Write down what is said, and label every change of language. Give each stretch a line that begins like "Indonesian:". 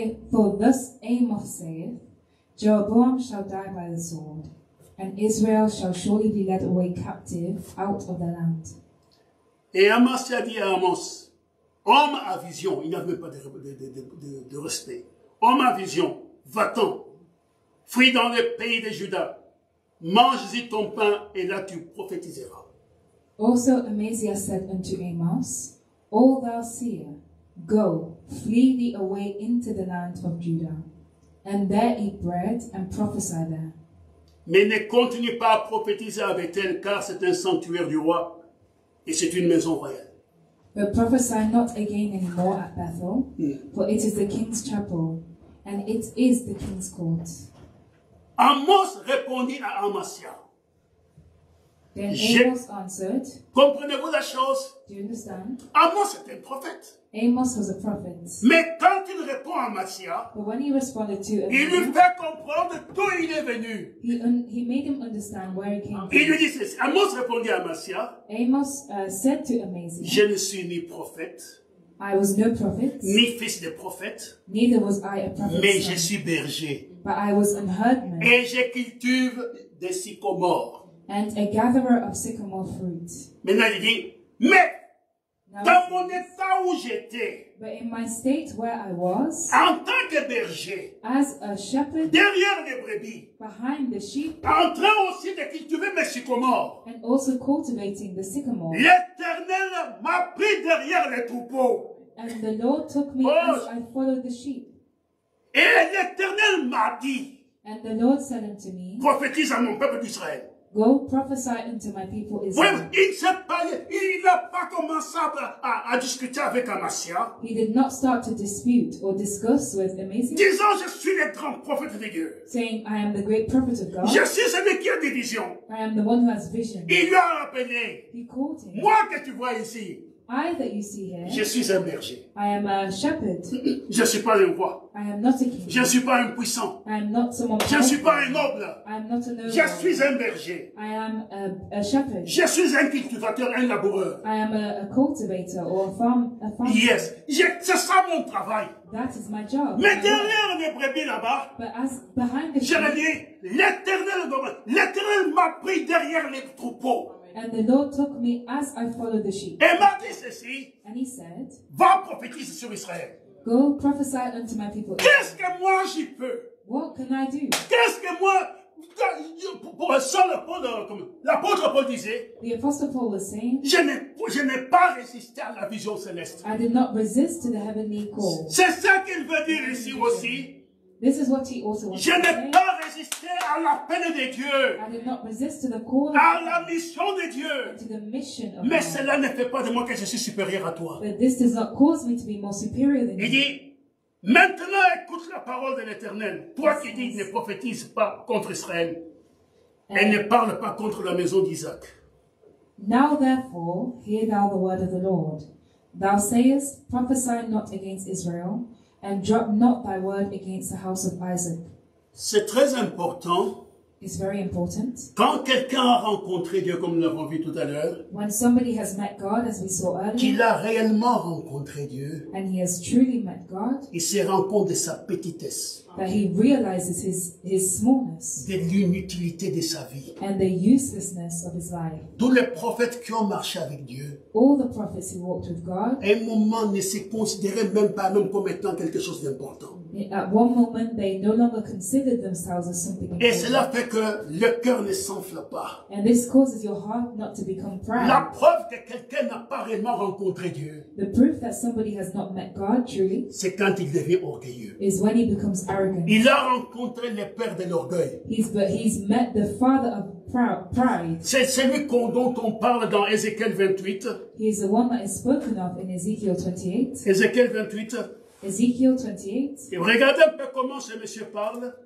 English: For thus Amos saith, Jeroboam shall die by the sword, and Israel shall surely be led away captive out of the land.
French: Et Amasia dit à Amos, homme à vision, il n'avait pas de respect, homme à vision, va-t'en, fuis dans le pays de Juda, mange-y ton pain, et là tu prophétiseras.
English: Also Amasia said unto Amos, O thou seer, go, flee thee away into the land of Judah, and there eat bread and prophesy there.
French: Mais ne continue pas à prophétiser à Bethel, car c'est un sanctuaire du roi, et c'est une maison royale.
English: But prophesy not again anymore at Bethel, for it is the king's chapel, and it is the king's court.
French: Amos répondit à Amasia.
English: Then Amos answered.
French: Comprenez-vous la chose?
English: Do you understand?
French: Amos était un prophète.
English: Amos was a prophet.
French: Mais quand il répond à Amasia,
English: but when he responded to
French: Amasia, il lui fait comprendre d'où il est venu.
English: He made him understand where he came from.
French: Il lui dit ceci. Amos répondit à Amasia.
English: Amos said to Amasia.
French: Je ne suis ni prophète.
English: I was no prophet.
French: Ni fils de prophète.
English: Neither was I a prophet.
French: Mais je suis berger.
English: But I was an herdman.
French: Et je cultive des sycomores.
English: And a gatherer of sycamore fruit.
French: Maintenant il dit, mais
English: now,
French: dans mon état où j'étais,
English: but in my state where I was,
French: en tant que berger,
English: as a shepherd,
French: derrière les brebis,
English: behind the sheep,
French: en train aussi de cultiver mes sycomores,
English: and also cultivating the sycamore,
French: l'Éternel m'a pris derrière les troupeaux,
English: and the Lord took me as I followed the sheep,
French: et l'Éternel m'a dit,
English: and the Lord said unto me,
French: prophétise à mon peuple d'Israël.
English: Go prophesy unto my people Israel.
French: Il s'est parlé. Il n'a pas commencé à discuter avec Amasia.
English: He did not start to dispute or discuss with Amasia.
French: Disant, je suis le grand prophète de Dieu.
English: Saying, I am the great prophet of God.
French: Je suis celui qui a des visions.
English: I am the one who has vision.
French: Il lui a rappelé.
English: He called him.
French: Moi que tu vois ici.
English: I that you see here.
French: Je suis un berger.
English: I am a shepherd.
French: Je suis pas un roi.
English: I am not a king.
French: Je suis pas un puissant.
English: I am not someone.
French: Je suis pas un noble.
English: I am not a noble.
French: Je suis un berger.
English: I am a shepherd.
French: Je suis un cultivateur, un laboureur.
English: I am a cultivator or a farmer. Yes,
French: c'est ça mon travail.
English: That is my job.
French: Mais derrière les brebis là-bas,
English: but as behind the
French: sheep, je l'Éternel m'a pris derrière les troupeaux.
English: And the Lord took me as I followed the sheep.
French: Et m'a dit ceci.
English: And he said,
French: va prophétiser sur Israël.
English: Go prophesy unto my people.
French: Qu'est-ce que moi j'y peux?
English: What can I do?
French: Qu'est-ce que moi, pour un seul apôtre, comme l'apôtre Paul disait,
English: the apostle Paul was saying,
French: je n'ai pas résisté à la vision céleste.
English: I did not resist to the heavenly call.
French: C'est ça qu'il veut dire ici aussi.
English: This is what he also wants
French: je
English: to
French: n'ai
English: say.
French: Pas résisté résister à l'appel de Dieu.
English: I did not resist to the call.
French: À la mission de Dieu.
English: To the mission of.
French: Mais cela ne fait pas de moi que je suis supérieur à toi.
English: But this does not cause me to be more superior than you.
French: Il dit, maintenant écoute la parole de l'Éternel. Toi qui dis, ne prophétise pas contre Israël. Et ne parle pas contre la maison d'Isaac.
English: Now therefore, hear thou the word of the Lord. Thou sayest, prophesy not against Israel, and drop not thy word against the house of Isaac.
French: C'est très important.
English: It's very important.
French: Quand quelqu'un a rencontré Dieu, comme nous l'avons vu tout à l'heure,
English: when somebody has met God, as we saw earlier,
French: qu'il a réellement rencontré Dieu,
English: and he has truly met God,
French: il se rend compte de sa petitesse,
English: that he realizes his smallness,
French: de l'inutilité de sa vie,
English: and the uselessness of his life.
French: Tous les prophètes qui ont marché avec Dieu,
English: all the prophets who walked with God,
French: à un moment ne se considéraient même pas même comme étant quelque chose d'important.
English: At one moment, they no longer considered themselves as something important.
French: Et cela fait que le cœur ne s'enfle pas.
English: And this causes your heart not to become proud.
French: La preuve que quelqu'un n'a pas réellement rencontré Dieu,
English: the proof that somebody has not met God truly,
French: c'est quand il devient orgueilleux,
English: is when he becomes arrogant.
French: Il a rencontré le père de l'orgueil.
English: He's met the father of pride.
French: C'est celui dont on parle dans Ézéchiel 28.
English: He is the one that is spoken of in Ezekiel 28.
French: Ézéchiel 28.
English: Ezekiel 28.
French: Et regardez un peu comment ce monsieur parle.